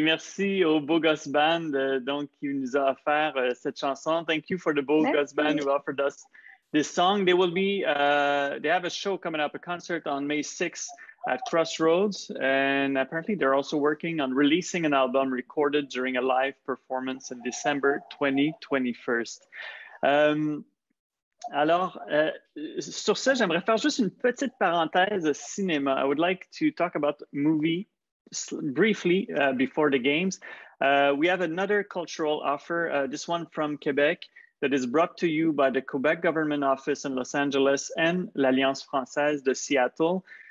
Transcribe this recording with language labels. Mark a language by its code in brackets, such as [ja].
[fr] Merci au Beau Goss Band donc, qui nous a offert cette chanson. [en] Thank you for the Beau Goss Band who offered us this song. They will be, they have a show coming up, a concert on May 6th at Crossroads. And apparently they're also working on releasing an album recorded during a live performance in December 2021. [fr] Alors, sur ça, j'aimerais faire juste une petite parenthèse cinéma. [en] I would like to talk about movie briefly before the games. We have another cultural offer, this one from Quebec, that is brought to you by the Quebec Government Office in Los Angeles and l'Alliance Française de Seattle.